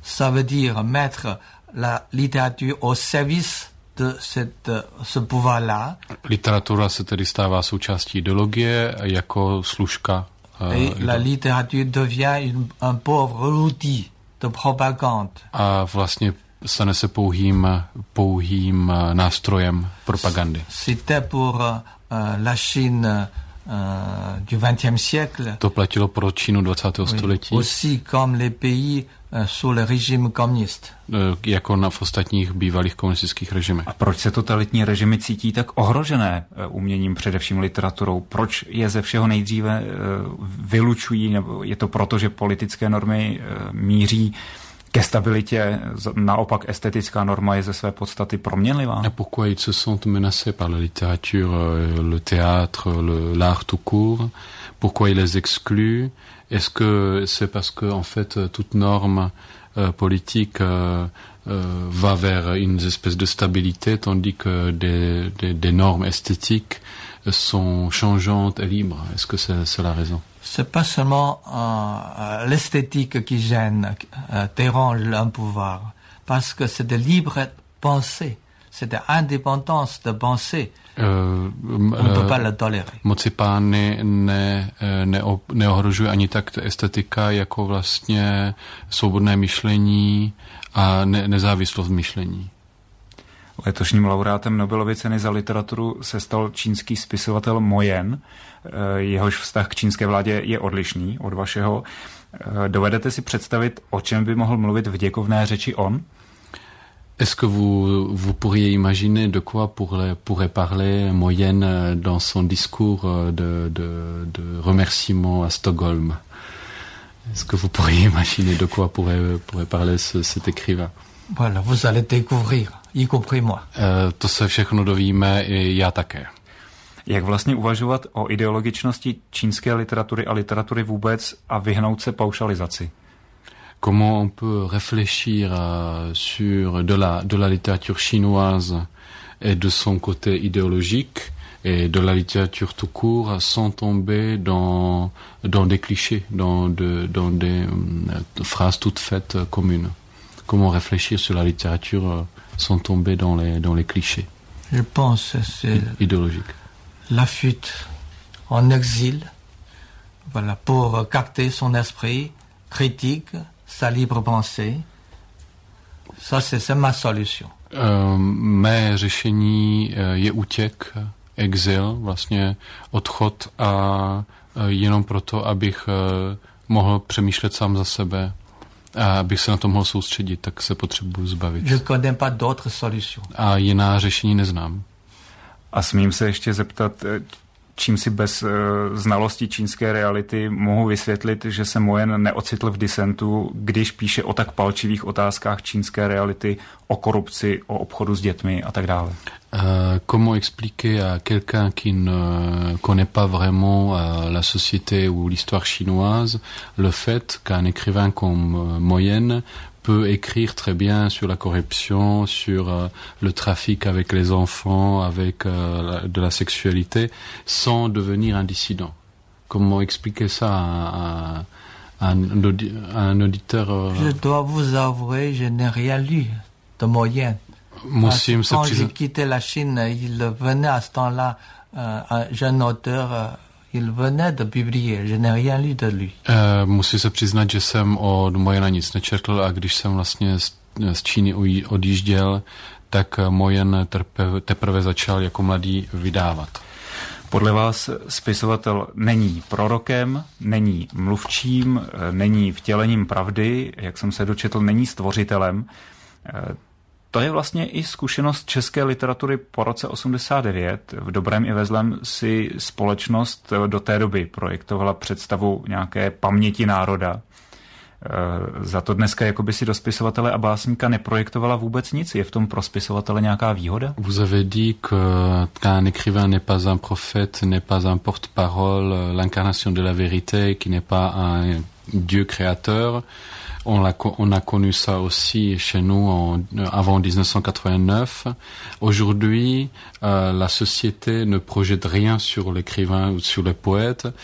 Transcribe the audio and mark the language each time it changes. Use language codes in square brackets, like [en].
[fr] Ça veut dire mettre la littérature au service de ce pouvoir-là. [cs] Literatura se tedy stává součástí ideologie jako služka. [fr] La littérature devient un pauvre outil de propagande. [cs] A vlastně stane se pouhým nástrojem propagandy. [fr] C'était pour la Chine du 20e siècle. [cs] To platilo pro Čínu 20. století. [fr] Aussi comme les pays sous le régime communiste. [cs] Jako na ostatních bývalých komunistických režimech. A proč se totalitní režimy cítí tak ohrožené uměním, především literaturou? Proč je ze všeho nejdříve vylučují, nebo je to proto, že politické normy míří ke stabilitě, naopak estetická norma je ze své podstaty proměnlivá? [fr] A pourquoi ils se sentent menacés par la littérature, le théâtre, l'art tout court? Pourquoi ils les excluent? Est-ce que c'est parce que en fait toute norme politique va vers une espèce de stabilité, tandis que des normes esthétiques sont changeantes et libres? Est-ce que c'est la raison? C'est pas seulement l'esthétique qui gêne, dérange un pouvoir, parce que c'est de libre pensée, c'est de indépendance de pensée. On ne peut pas le tolérer. [cs] Moci pány neohrožuje ani tak estetika, jako vlastně svobodné myšlení a nezávislost myšlení. Letošním laureátem Nobelovy ceny za literaturu se stal čínský spisovatel Mo Yan. Jehož vztah k čínské vládě je odlišný od vašeho. Dovedete si představit, o čem by mohl mluvit v děkovné řeči on? [fr] Est-ce que vous pourriez imaginer de quoi pourrait parler Mo Yan dans son discours de remerciement à Stockholm? Est-ce que vous pourriez imaginer de quoi pourrait parler cet écrivain? Voilà, vous allez découvrir. Y compris moi. [cs] To se všechno dovíme, i já také. Jak vlastně uvažovat o ideologičnosti čínské literatury a literatury vůbec a vyhnout se paušalizaci? [fr] Comment on peut réfléchir sur de la littérature chinoise et de son côté idéologique et de la littérature tout court sans tomber dans des clichés, dans des phrases toutes faites communes? Comment réfléchir sur la littérature sont tombés dans les clichés. Je pense que c'est idéologique. La fuite en exil, voilà, pour capter son esprit critique, sa libre pensée. Ça, c'est ma solution. [cs] Mé řešení je útěk, exil, vlastně odchod, a jenom proto, abych mohl přemýšlet sám za sebe. A abych se na to mohl soustředit, tak se potřebuji zbavit. [fr] Je connais pas d'autre solution. [cs] A jiná řešení neznám. A smím se ještě zeptat, čím si bez znalosti čínské reality mohu vysvětlit, že se Mo Yan neocitl v disentu, když píše o tak palčivých otázkách čínské reality, o korupci, o obchodu s dětmi a tak dále? [fr] Comment expliquer à quelqu'un qui ne connaît pas vraiment la société ou l'histoire chinoise le fait qu'un écrivain comme Mo Yan peut écrire très bien sur la corruption, sur le trafic avec les enfants, avec de la sexualité, sans devenir un dissident? Comment expliquer ça à un auditeur? Je dois vous avouer, je n'ai rien lu de Mo Yan. [cs] Musím [fr] se quand j'ai quitté la Chine, il venait à ce temps-là, un jeune auteur, il venait de publier, je n'ai rien lu de lui. [cs] Musím se přiznat, že jsem od Mo Yana nic nečetl, a když jsem vlastně z Číny odjížděl, tak Mo Yan teprve začal jako mladý vydávat. Podle vás spisovatel není prorokem, není mluvčím, není vtělením pravdy, jak jsem se dočetl, není stvořitelem. To je vlastně i zkušenost české literatury po roce 89. V dobrém i ve zlém si společnost do té doby projektovala představu nějaké paměti národa. Za to dneska jakoby si do spisovatele a básníka neprojektovala vůbec nic. Je v tom pro spisovatele nějaká výhoda? [fr] Vous avez dit qu'un écrivain n'est pas un prophète, n'est pas un porte-parole, l'incarnation de la vérité, qui n'est pas un dieu créateur. On a connu ça aussi chez nous avant 1989. Aujourd'hui, la société ne projette rien sur l'écrivain ou sur le poète.